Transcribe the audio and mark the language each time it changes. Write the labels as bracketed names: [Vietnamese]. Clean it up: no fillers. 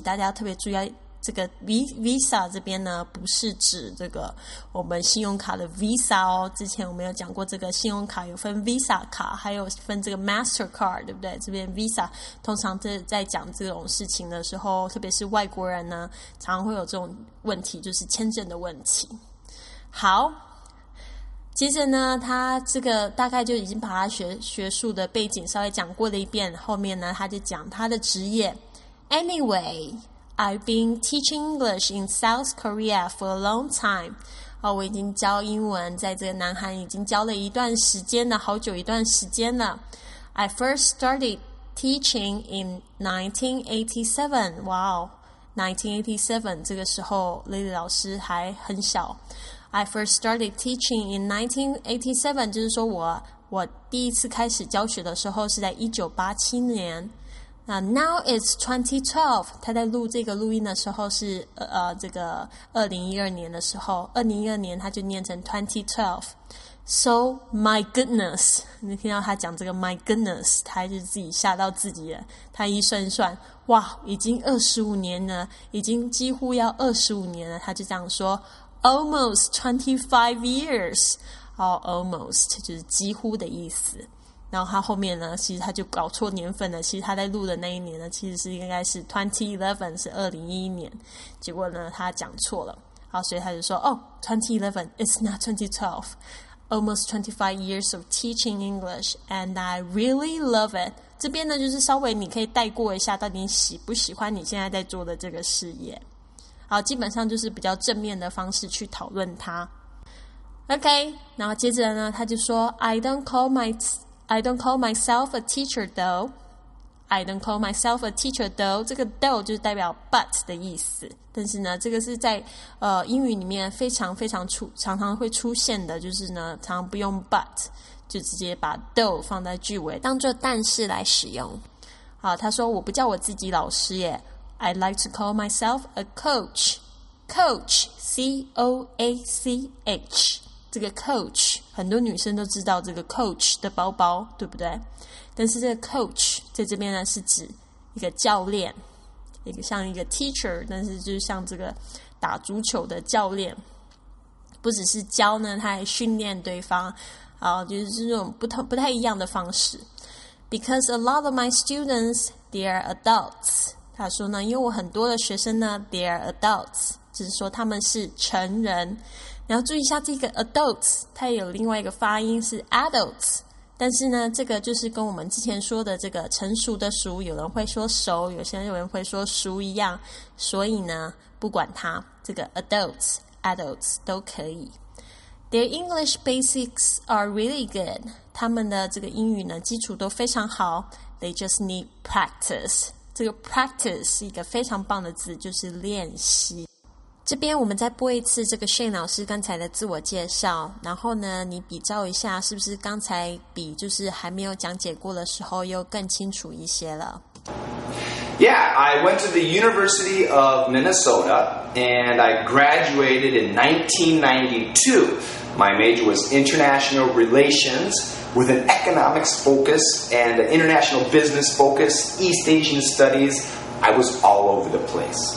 [Chinese] 大家特别注意这个 Visa 这边呢不是指这个我们信用卡的 Visa 哦，之前我们有讲过这个信用卡有分 Visa 卡还有分这个 Mastercard 对不对，这边 Visa 通常在讲这种事情的时候，特别是外国人呢常常会有这种问题，就是签证的问题。好，其实呢，他这个大概就已经把他学术的背景稍微讲过了一遍，后面呢，他就讲他的职业。 [English] Anyway, I've been teaching English in South Korea for a long time. [Chinese] 哦，我已经教英文在这个南韩已经教了一段时间了，好久一段时间了。 [English] I first started teaching in 1987. [Chinese] Wow, 1987, 这个时候 Lily 老师还很小。 [English] I first started teaching in 1987, [Chinese] 就是说我第一次开始教学的时候是在1987年。 [English] Now it's 2012, [Chinese] 他在录这个录音的时候是这个2012年的时候 ,2012 年他就念成 2012. [English] So, my goodness, [Chinese] 你听到他讲这个 my goodness, 他就自己吓到自己了。他一算算，哇，已经25年了，已经几乎要25年了，他就这样说， [English] Almost 25 years. [Chinese] Almost 就是几乎的意思。然后他后面呢，其实他就搞错年份了。其实他在录的那一年呢，其实是应该是 2011, 是2011年。结果呢，他讲错了。好，所以他就说， [English] oh, 2011, it's not 2012. Almost 25 years of teaching English, and I really love it. [Chinese] 这边呢，就是稍微你可以带过一下，到底喜不喜欢你现在在做的这个事业。好，基本上就是比较正面的方式去讨论它。 OK, 然后接着呢，他就说 [English] I don't call myself a teacher though. [Chinese] 这个 though 就是代表 but 的意思。但是呢，这个是在英语里面非常非常常常会出现的，就是呢，常常不用 but, 就直接把 though 放在句尾，当作但是来使用。好，他说我不叫我自己老师耶。 [English] I'd like to call myself a coach. Coach, C-O-A-C-H. [Chinese] 这个 coach, 很多女生都知道这个 coach 的包包，对不对？但是这个 coach 在这边呢，是指一个教练，一个像一个 teacher, 但是就像这个打足球的教练。不只是教呢，他还训练对方，就是这种不太一样的方式。 [English] Because a lot of my students, they are adults. [Chinese] 他说呢，因为我很多的学生呢 ， [English] they are adults, [Chinese] 就是说他们是成人。你要注意一下这个 adults, 它也有另外一个发音是 adults, 但是呢，这个就是跟我们之前说的这个成熟的熟，有人会说熟，有些人会说熟一样。所以呢，不管它这个 adults 都可以。 [English] Their English basics are really good. [Chinese] 他们的这个英语呢基础都非常好。 [English] They just need practice. [Chinese] 这个 practice 是一个非常棒的字，就是练习。这边我们再播一次这个 Shane 老师刚才的自我介绍，然后呢，你比照一下，是不是刚才比就是还没有讲解过的时候又更清楚一些了 [English] ？Yeah, I went to the University of Minnesota and I graduated in 1992. My major was international relations. With an economics focus and an international business focus, East Asian studies, I was all over the place.